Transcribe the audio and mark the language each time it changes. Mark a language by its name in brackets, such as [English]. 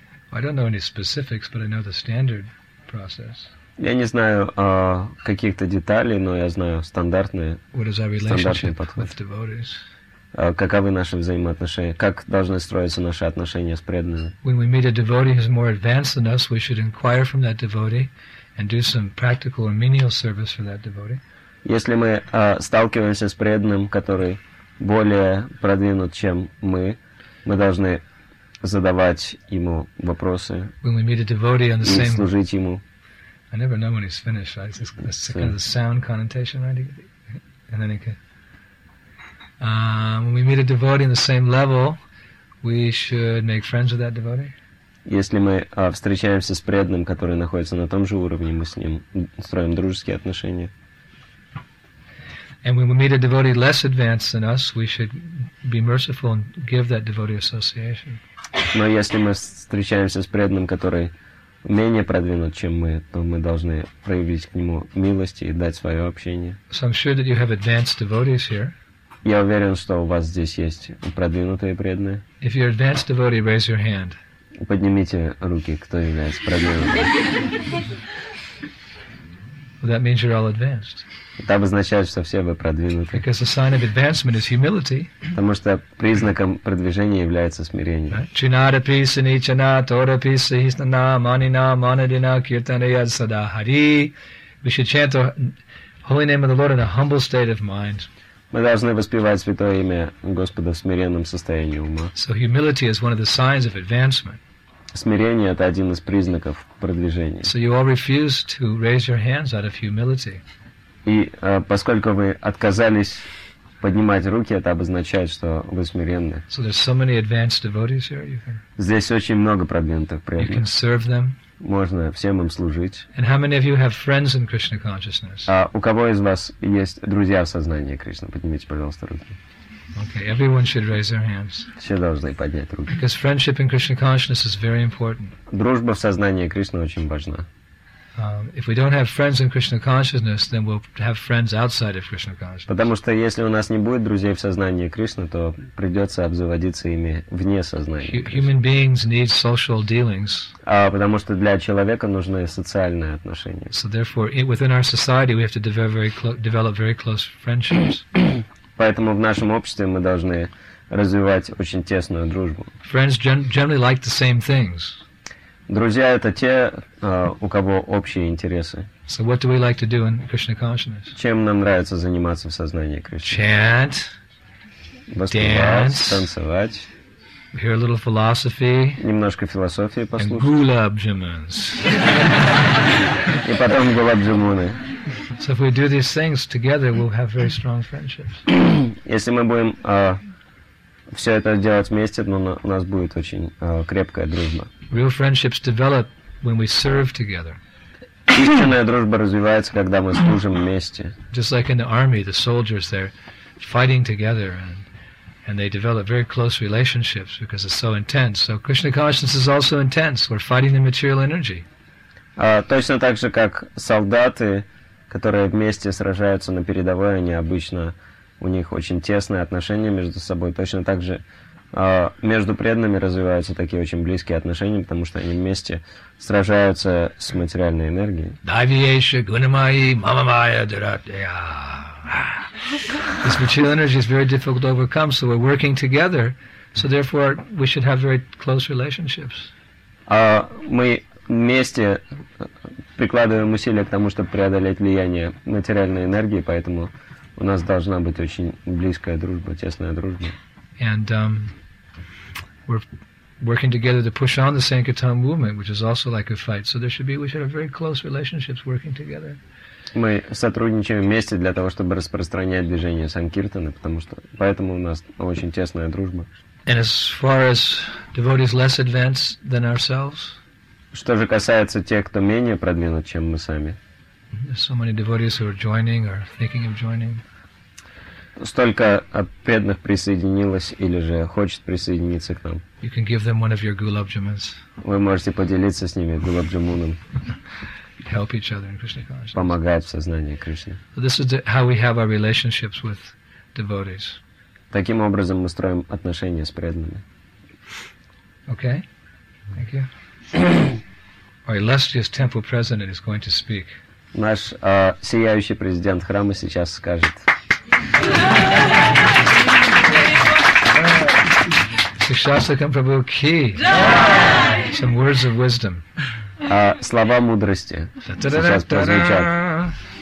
[English] I don't know any specifics, but I know the standard process. [Russian] Я не знаю каких-то деталей, но я знаю стандартные. [English] What is our relationship with devotees? [Russian] Каковы наши взаимоотношения? Как должны строиться наши отношения с преданными? [English] When we meet a devotee who is more advanced than us, we should inquire from that devotee and do some practical or menial service for that devotee. [Russian] Если мы сталкиваемся с преданным, который более продвинут, чем мы должны задавать ему вопросы и служить ему. [English] I never know when he's finished, right? It's just kind of the sound connotation, right? And then he can... when we meet a devotee on the same level, we should make friends with that devotee. [Russian] Если мы встречаемся с преданным, который находится на том же уровне, мы с ним строим дружеские отношения. [English] And when we meet a devotee less advanced than us, we should be merciful and give that devotee association. [Russian] Но если мы встречаемся с преданным, который менее продвинут, чем мы, то мы должны проявить к нему милость и дать свое общение. [English] So I'm sure that you have advanced devotees here. [Russian] Я уверен, что у вас здесь есть продвинутые преданные. [English] If you're advanced devotee, raise your hand. [Russian] Поднимите руки, кто является продвинутым. [English] Well, that means you're all advanced. [Russian] Это обозначает, что все вы продвинуты. [English] Because the sign of advancement is humility. [Russian] Потому что признаком продвижения является смирение. [Sanskrit] Чинарапи сани чанаторапи сахисна манина манадина киртанея сада хари. [English] We should chant the holy name of the Lord in a humble state of mind. [Russian] Мы должны воспевать святое имя Господа в смиренном состоянии ума. [English] So humility is one of the signs of advancement. [Russian] Смирение — это один из признаков продвижения. [English] So you all refuse to raise your hands out of humility. [Russian] И поскольку вы отказались поднимать руки, это обозначает, что вы смиренны. [English] So there's so many advanced devotees here, you can... [Russian] Здесь очень много продвинутых преданных. [English] You can serve them. [Russian] Можно всем им служить. [English] And how many of you have friends in Krishna consciousness? [Russian] У кого из вас есть друзья в сознании Кришны? Поднимите, пожалуйста, руки. [English] Okay, everyone should raise their hands. [Russian] Все должны поднять руки. [English] Because friendship in Krishna consciousness is very important. [Russian] Дружба в сознании Кришны очень важна. [English] If we don't have friends in Krishna consciousness, then we'll have friends outside of Krishna consciousness. [Russian] Потому что если у нас не будет друзей в сознании Кришны, то придется обзаводиться ими вне сознания. [English] Human beings need social dealings. [Russian] А потому что для человека нужны социальные отношения. [English] So therefore, within our society, we have to develop very close friendships. [Russian] Поэтому в нашем обществе мы должны развивать очень тесную дружбу. [English] Friends generally like the same things. [Russian] Друзья — это те, у кого общие интересы. [English] So what do we like to do in Krishna consciousness? [Russian] Чем нам нравится заниматься в сознании Кришны? [English] Chant, dance, [Russian] танцевать, [English] hear a little philosophy, [Russian] немножко философии послушать, [English] and gulab-jamans. [Russian] И потом гулабджамуны. [English] So if we do these things together, we'll have very strong friendships. [Russian] Если мы будем все это делать вместе, но у нас будет очень крепкая дружба. [English] Real friendships develop when we serve together. [Russian] Истинная дружба развивается, когда мы служим вместе. [English] Just like in the army, the soldiers, they're fighting together and they develop very close relationships because it's so intense. So Krishna consciousness is also intense. We're fighting the material energy. [Russian] Точно так же, как солдаты, которые вместе сражаются на передовой, они обычно, у них очень тесные отношения между собой. Точно так же между преданными развиваются такие очень близкие отношения, потому что они вместе сражаются с материальной энергией. [Sanskrit] Давиеша гунамайи мамамайя дратья. [English] This material energy is very difficult to overcome, so we're working together, so therefore we should have very close relationships. [Russian] Мы вместе прикладываем усилия к тому, чтобы преодолеть влияние материальной энергии, поэтому у нас должна быть очень близкая дружба, тесная дружба. [English] And we're working together to push on the Sankirtan movement, which is also like a fight. So we should have very close relationships working together. [Russian] Мы сотрудничаем вместе для того, чтобы распространять движение Санкиртаны, потому что поэтому у нас очень тесная дружба. [English] And as far as devotees less advanced than ourselves. [Russian] Что же касается тех, кто менее продвинут, чем мы сами. [English] There's so many devotees who are joining or thinking of joining. [Russian] Столько преданных присоединилось или же хочет присоединиться к нам. [English] You can give them one of your gulab-jamans. [Russian] Вы можете поделиться с ними гулабджамуном. [English] Help each other in Krishna consciousness. [Russian] Помогать в сознании Кришны. [English] So this is how we have our relationships with devotees. [Russian] Таким образом мы строим отношения с преданными. [English] Okay. Thank you. Our illustrious temple president is going to speak. [Russian] Наш сияющий президент храма сейчас скажет. [English] Сикшасакам Прабху Ки. Some words of wisdom. [Russian] Слова мудрости сейчас прозвучат.